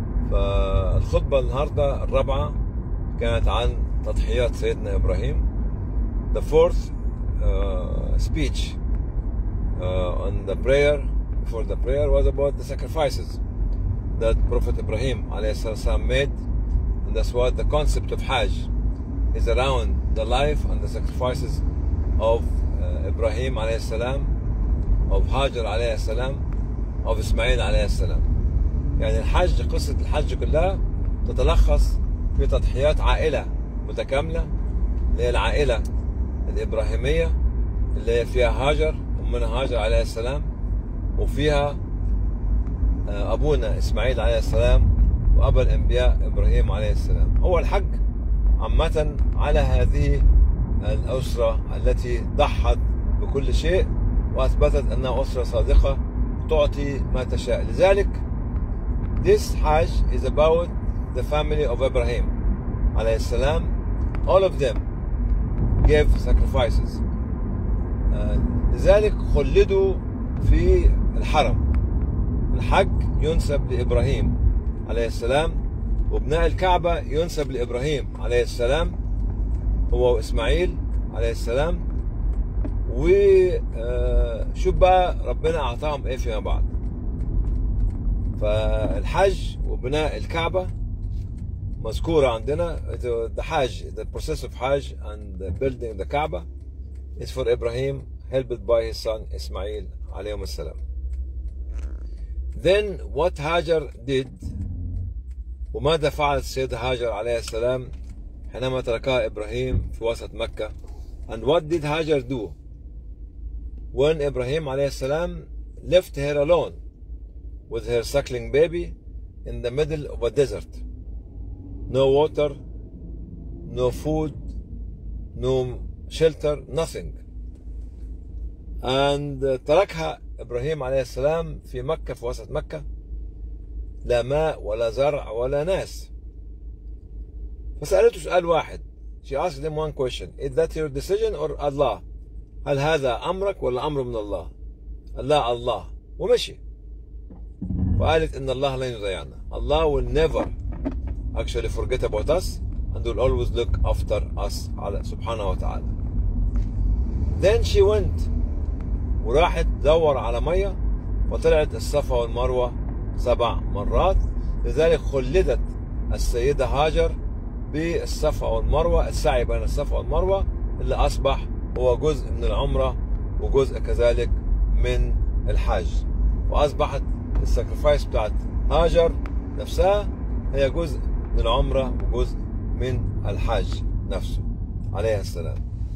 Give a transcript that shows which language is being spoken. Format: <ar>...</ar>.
<ar>فالخطبة النهاردة الرابعة كانت عن تضحيات سيدنا إبراهيم.</ar> <en>The fourth speech on the prayer for the prayer was about the sacrifices that Prophet Ibrahim alayhi salam made, and that's what the concept of Hajj is around, the life and the sacrifices of Ibrahim alayhi salam, of Hajar alayhi salam, of Ismail alayhi salam.</en> <ar>يعني الحج، قصة الحج كلها تتلخص في تضحيات عائلة متكاملة، اللي هي العائلة الإبراهيمية اللي هي فيها هاجر، أمنا هاجر عليه السلام، وفيها أبونا إسماعيل عليه السلام، وأبا الأنبياء إبراهيم عليه السلام. هو الحج عامة على هذه الأسرة التي ضحت بكل شيء وأثبتت أنها أسرة صادقة تعطي ما تشاء. لذلك</ar> <en>this Hajj is about the family of Ibrahim عليه السلام. All of them gave sacrifices.</en> <ar>لذلك خلدوا في الحرم. الحج ينسب لإبراهيم عليه السلام، وبناء الكعبة ينسب لإبراهيم عليه السلام، هو وإسماعيل عليه السلام. وشو بقى ربنا أعطاهم إيه فيما بعد؟ فالحج وبناء الكعبة مذكورة عندنا.</ar> <en>The process of Hajj and building the Kaaba is for Ibrahim, helped by his son إسماعيل عليهم السلام. Then what Hajar did</en> <ar>وماذا فعل السيدة هاجر عليه السلام حينما تركها إبراهيم في وسط مكة؟</ar> <en>And what did Hajar do when Ibrahim عليه السلام left her alone with her suckling baby in the middle of a desert? No water, no food, no shelter, nothing.</en> <ar>And تركها إبراهيم عليه السلام في مكة في وسط مكة لا ماء ولا زرع ولا ناس. فسألته سؤال واحد.</ar> <en>She asked him one question. Is that your decision or Allah?</en> <ar>هل هذا أمرك ولا أمر من الله؟ الله ومشي. فقالت إن الله لن يضيعنا.</ar> <en>Allah will never actually forget about us and will always look after us</en> <ar>على سبحانه وتعالى.</ar> <en>Then she went</en> <ar>وراحت تدور على مية وطلعت الصفا والمروة سبع مرات. لذلك خلدت السيدة هاجر بالصفا والمروة، السعي بين الصفا والمروة اللي أصبح هو جزء من العمرة وجزء كذلك من الحج، وأصبحت الساكرفايس بتاعت هاجر نفسها هي جزء من العمرة وجزء من الحج نفسه عليه السلام.</ar>